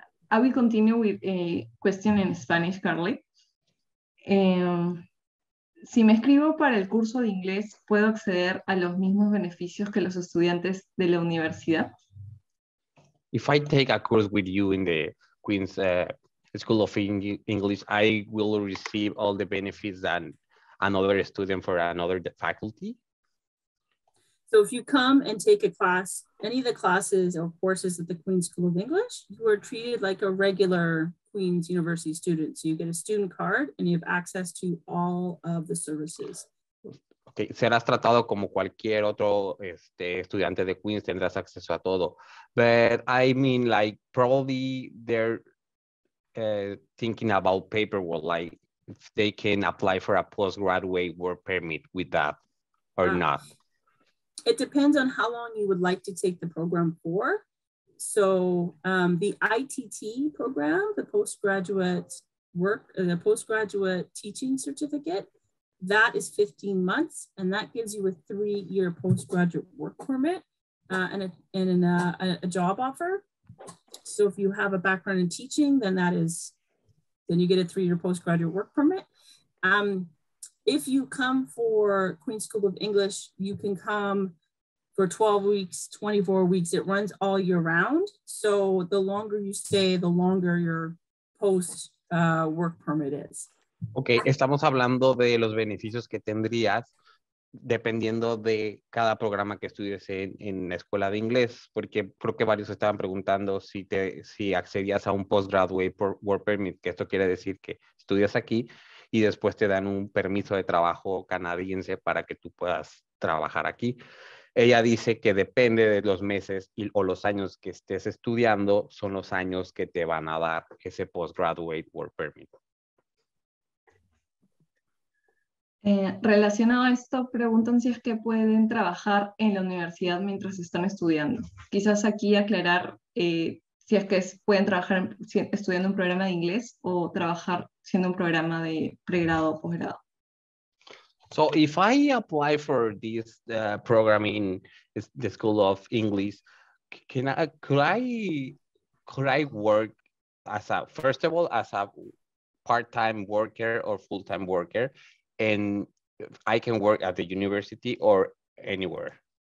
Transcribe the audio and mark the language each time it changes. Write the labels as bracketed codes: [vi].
[en] I will continue with a question in Spanish, Carly. [es] Si me escribo para el curso de inglés, ¿puedo acceder a los mismos beneficios que los estudiantes de la universidad? [en] If I take a course with you in the Queen's School of English, I will receive all the benefits than another student for another faculty. So if you come and take a class, any of the classes or courses at the Queen's School of English, you are treated like a regular Queen's University student. So you get a student card and you have access to all of the services. Okay. [es] Serás tratado como cualquier otro estudiante de Queens, tendrás acceso a todo. [en] But I mean, like, probably they're thinking about paperwork, like if they can apply for a postgraduate work permit with that or not. It depends on how long you would like to take the program for. So the ITT program, the postgraduate work, the postgraduate teaching certificate, that is 15 months, and that gives you a 3-year postgraduate work permit and a job offer. So if you have a background in teaching, then you get a 3-year postgraduate work permit. If you come for Queen's School of English, you can come for 12 weeks, 24 weeks. It runs all year round. So the longer you stay, the longer your post work permit is. [es] Ok, estamos hablando de los beneficios que tendrías dependiendo de cada programa que estudies en la escuela de inglés, porque creo que varios estaban preguntando si accedías a un postgraduate work permit, que esto quiere decir que estudias aquí y después te dan un permiso de trabajo canadiense para que tú puedas trabajar aquí. Ella dice que depende de los meses o los años que estés estudiando, son los años que te van a dar ese postgraduate work permit. Relacionado a esto, preguntan si es que pueden trabajar en la universidad mientras están estudiando. Quizás aquí aclarar si es que pueden trabajar estudiando un programa de inglés o trabajar siendo un programa de pregrado o posgrado. [en] So if I apply for this program in the School of English, could I work as a, first of all, as a part-time worker or full-time worker? And I can work at the university or anywhere.